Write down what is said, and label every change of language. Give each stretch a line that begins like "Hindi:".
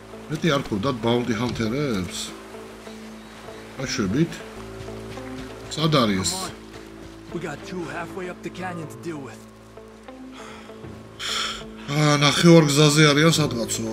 Georgian: მეტი არ ქონდათ ბაუნტი ჰანტერებს? აშვებით. სად არის?
English: We got two halfway up the canyon to deal with.
Georgian: აა, ნახევარ გზაზე არიან სადღაცო.